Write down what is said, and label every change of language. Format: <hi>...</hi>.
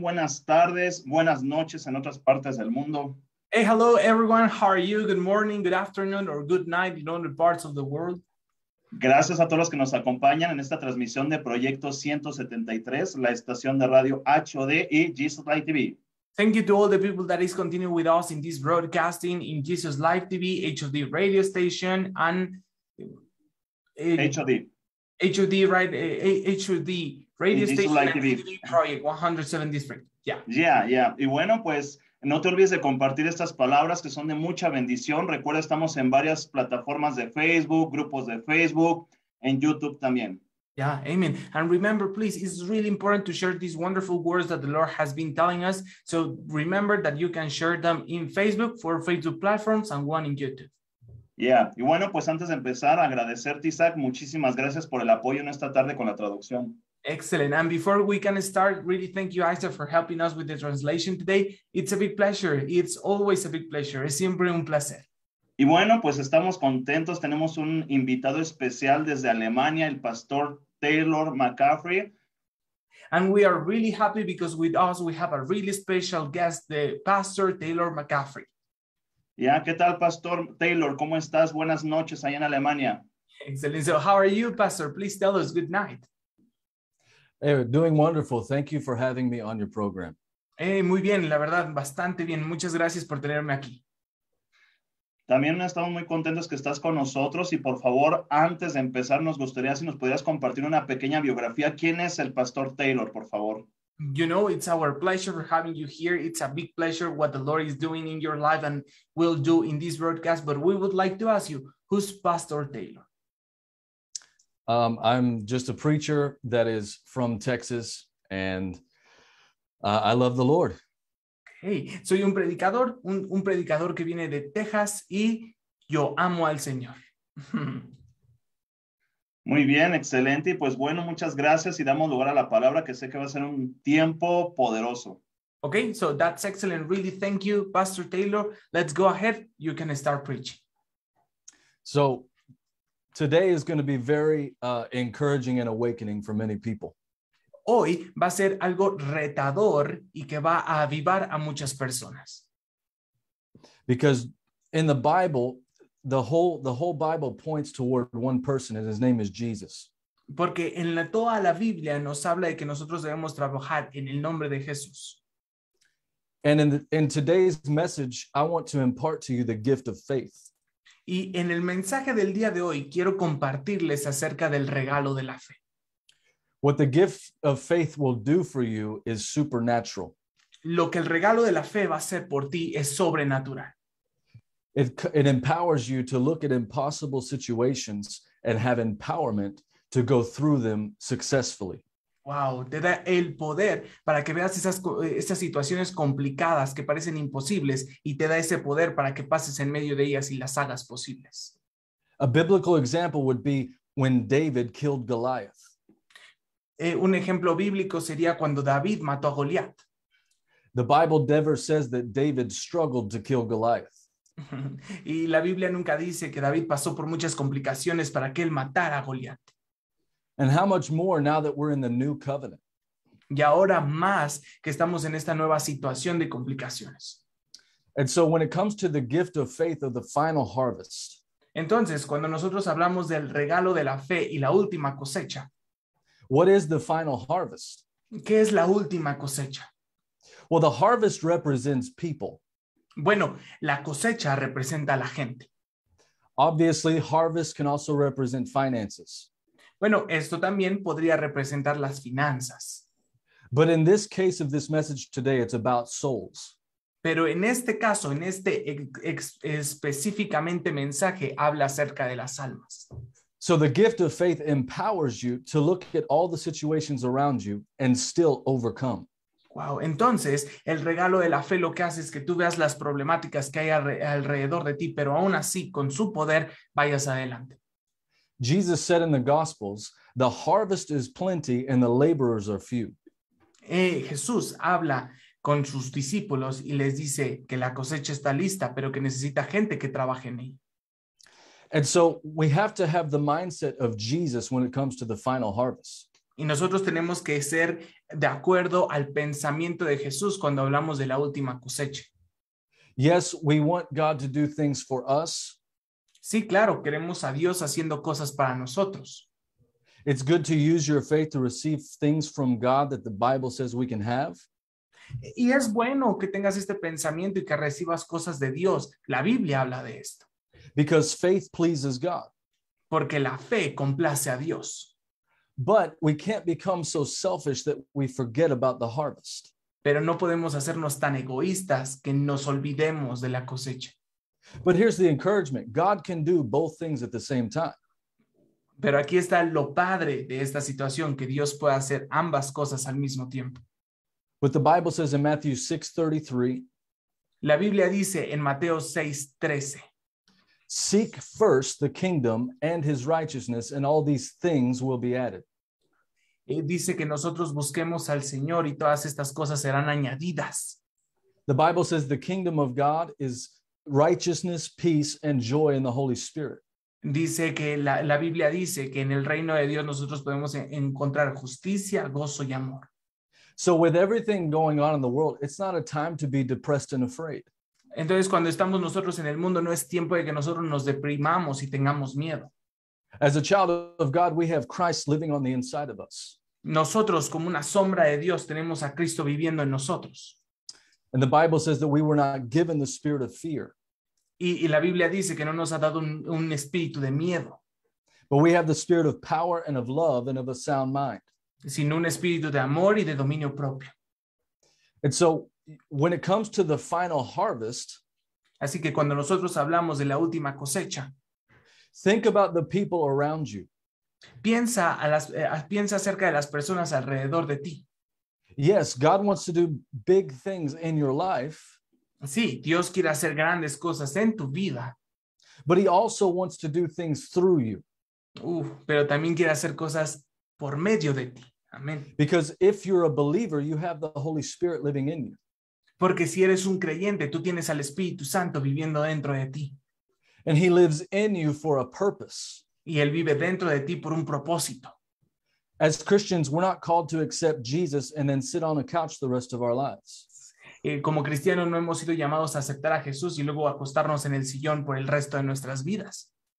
<es>Buenas tardes, buenas noches en otras partes del mundo.</es> <en>Hey, hello everyone. How are you? Good morning, good afternoon, or good night in other parts of the world.</en> <es>Gracias a todos los que nos acompañan en esta transmisión de Proyecto 173, la estación de radio HOD y Jesus Live TV.</es> <en>Thank you to all the people that is continuing with us in this broadcasting in Jesus Live TV, HOD radio station, and HOD. HOD, right? HOD radio station, Live TV. Project 173. Yeah. Yeah, yeah.</en> <es>Y bueno, pues no te olvides de compartir estas palabras que son de mucha bendición. Recuerda, estamos en varias plataformas de Facebook, grupos de Facebook, en YouTube también.</es> <en>Yeah, amen. And remember, please, it's really important to share these wonderful words that the Lord has been telling us. So remember that you can share them in Facebook for Facebook platforms and one in YouTube. Yeah.</en> <es>Y bueno, pues antes de empezar, agradecerte, Isaac, muchísimas gracias por el apoyo en esta tarde con la traducción.</es> <en>Excellent. And before we can start, really thank you, Isaac, for helping us with the translation today. It's a big pleasure. It's always a big pleasure.</en> <es>Es siempre un placer. Y bueno, pues estamos contentos. Tenemos un invitado especial desde Alemania, el pastor Taylor McAffrey. And we are really happy because with us we have a really special guest, the pastor Taylor McAffrey. Yeah, ¿qué tal, pastor Taylor? ¿Cómo estás? Buenas noches allá en Alemania.</es> <en>Excellent. So how are you, pastor? Please tell us. Good night. Hey, doing wonderful. Thank you for having me on your program.</en> <es>Hey, muy bien. La verdad, bastante bien. Muchas gracias por tenerme aquí. También estamos muy contentos que estás con nosotros y por favor, antes de empezar, nos gustaría si nos pudieras compartir una pequeña biografía. ¿Quién es el pastor Taylor, por favor?</es> <en>You know, it's our pleasure for having you here. It's a big pleasure what the Lord is doing in your life and will do in this broadcast. But we would like to ask you, who's Pastor Taylor? I'm just a preacher that is from Texas and I love the Lord.</en> <es>Hey, soy un predicador, un predicador que viene de Texas y yo amo al Señor. Muy bien, excelente. Y pues bueno, muchas gracias y damos lugar a la palabra que sé que va a ser un tiempo poderoso.</es> <en>Okay, so that's excellent. Really, thank you, Pastor Taylor. Let's go ahead. You can start preaching. So today is going to be very encouraging and awakening for many people.</en> <es>Hoy va a ser algo retador y que va a avivar a muchas personas.</es> <en>Because in the Bible, the whole Bible points toward one person and his name is Jesus.</en> <es>Porque en toda la Biblia nos habla de que nosotros debemos trabajar en el nombre de Jesús.</es> <en>And in today's message, I want to impart to you the gift of faith.</en> <es>Y en el mensaje del día de hoy, quiero compartirles acerca del regalo de la fe.</es> <en>What the gift of faith will do for you is supernatural.</en> <es>Lo que el regalo de la fe va a hacer por ti es sobrenatural.</es> <en>It empowers you to look at impossible situations and have empowerment to go through them successfully.</en> <es>Wow, te da el poder para que veas esas situaciones complicadas que parecen imposibles y te da ese poder para que pases en medio de ellas y las hagas posibles.</es> <en>A biblical example would be when David killed Goliath.</en> <es>Un ejemplo bíblico sería cuando David mató a Goliat.</es> <en>The Bible never says that David struggled to kill Goliath.</en> <es>Y la Biblia nunca dice que David pasó por muchas complicaciones para que él matara a Goliat.</es> <en>And how much more now that we're in the new covenant.</en> <es>Y ahora más que estamos en esta nueva situación de complicaciones.</es> <en>And so when it comes to the gift of faith of the final harvest.</en> <es>Entonces, cuando nosotros hablamos del regalo de la fe y la última cosecha.</es> <en>What is the final harvest?</en> <es>¿Qué es la última cosecha?</es> <en>Well, the harvest represents people.</en> <es>Bueno, la cosecha representa a la gente.</es> <en>Obviously, harvest can also represent finances.</en> <es>Bueno, esto también podría representar las finanzas.</es> <en>But in this case of this message today, it's about souls.</en> <es>Pero en este caso, en este específicamente mensaje, habla acerca de las almas.</es> <en>So the gift of faith empowers you to look at all the situations around you and still overcome. Wow.</en> <es>Entonces, el regalo de la fe lo que hace es que tú veas las problemáticas que hay alrededor de ti, pero aún así, con su poder, vayas adelante.</es> <en>Jesus said in the Gospels The harvest is plenty and the laborers are few.</en> <es>Jesús habla con sus discípulos y les dice que la cosecha está lista, pero que necesita gente que trabaje en ella.</es> <en>And so we have to have the mindset of Jesus when it comes to the final harvest.</en> <es>Y nosotros tenemos que ser de acuerdo al pensamiento de Jesús cuando hablamos de la última cosecha.</es> <en>Yes, we want God to do things for us.</en> <es>Sí, claro, queremos a Dios haciendo cosas para nosotros.</es> <en>It's good to use your faith to receive things from God that the Bible says we can have.</en> <es>Y es bueno que tengas este pensamiento y que recibas cosas de Dios. La Biblia habla de esto.</es> <en>Because faith pleases God.</en> <es>Porque la fe complace a Dios.</es> <en>But we can't become so selfish that we forget about the harvest.</en> <es>Pero no podemos hacernos tan egoístas que nos olvidemos de la cosecha.</es> <en>But here's the encouragement. God can do both things at the same time.</en> <es>Pero aquí está lo padre de esta situación, que Dios puede hacer ambas cosas al mismo tiempo.</es> <en>But the Bible says in Matthew 6:33.</en> <es>La Biblia dice en Mateo 6:13.</es> <en>Seek first the kingdom and his righteousness, and all these things will be added.</en> <es>Él dice que nosotros busquemos al Señor y todas estas cosas serán añadidas.</es> <en>The Bible says the kingdom of God is righteousness, peace, and joy in the Holy Spirit.</en> <es>Dice que la Biblia dice que en el reino de Dios nosotros podemos encontrar justicia, gozo y amor.</es> <en>So with everything going on in the world, it's not a time to be depressed and afraid.</en> <es>Entonces, cuando estamos nosotros en el mundo, no es tiempo de que nosotros nos deprimamos y tengamos miedo.</es> <en>As a child of God, we have Christ living on the inside of us.</en> <es>Nosotros, como una sombra de Dios, tenemos a Cristo viviendo en nosotros.</es> <en>And the Bible says that we were not given the spirit of fear.</en> <es>Y la Biblia dice que no nos ha dado un espíritu de miedo.</es> <en>But we have the spirit of power and of love and of a sound mind.</en> <es>Sino un espíritu de amor y de dominio propio.</es> <en>And so, when it comes to the final harvest,</en> <es>así que cuando nosotros hablamos de la última cosecha,</es> <en>think about the people around you.</en> <es>Piensa acerca de las personas alrededor de ti.</es> <en>Yes, God wants to do big things in your life.</en> <es>Sí, Dios quiere hacer grandes cosas en tu vida.</es> <en>But he also wants to do things through you.</en> <es>Pero también quiere hacer cosas por medio de ti. Amén.</es> <en>Because if you're a believer, you have the Holy Spirit living in you.</en> <es>Porque si eres un creyente, tú tienes al Espíritu Santo viviendo dentro de ti.</es> <en>And he lives in you for a purpose.</en> <es>Y él vive dentro de ti por un propósito.</es> <en>As Christians, we're not called to accept Jesus and then sit on a couch the rest of our lives.</en> <es>Como cristianos, no hemos sido llamados a aceptar a Jesús y luego acostarnos en el sillón por el resto de nuestras vidas.</es>